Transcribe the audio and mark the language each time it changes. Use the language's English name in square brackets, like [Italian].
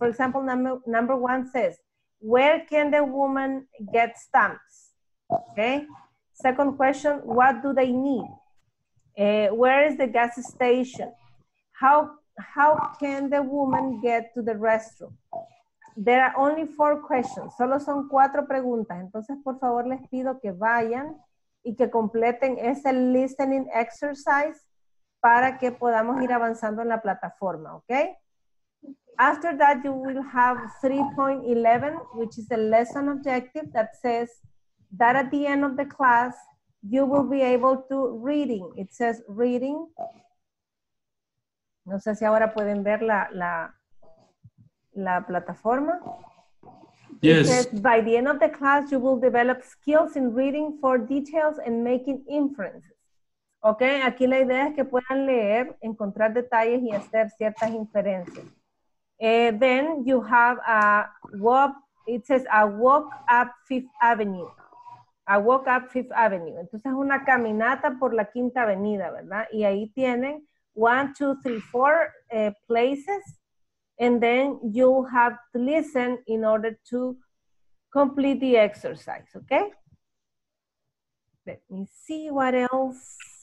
[English] For example, number one says, where can the woman get stamps? Okay. Second question, what do they need? Where is the gas station? How can the woman get to the restroom? There are only four questions. [Spanish] Solo son cuatro preguntas. Entonces, por favor, les pido que vayan y que completen ese [English] listening exercise [Spanish] para que podamos ir avanzando en la plataforma, okay? [English] After that, you will have 3.11, which is the lesson objective that says that at the end of the class, you will be able to reading. It says reading. [Spanish] No sé si ahora pueden ver la plataforma. [English] Yes. It says, by the end of the class, you will develop skills in reading for details and making inferences. [Spanish] Ok, aquí la idea es que puedan leer, encontrar detalles y hacer ciertas inferencias. [English] Then you have a walk, it says a walk up Fifth Avenue. A walk up Fifth Avenue. [Spanish] Entonces es una caminata por la Quinta Avenida, ¿verdad? Y ahí tienen 1, 2, 3, 4 places. [English] And then you have to listen in order to complete the exercise, ok? Let me see what else.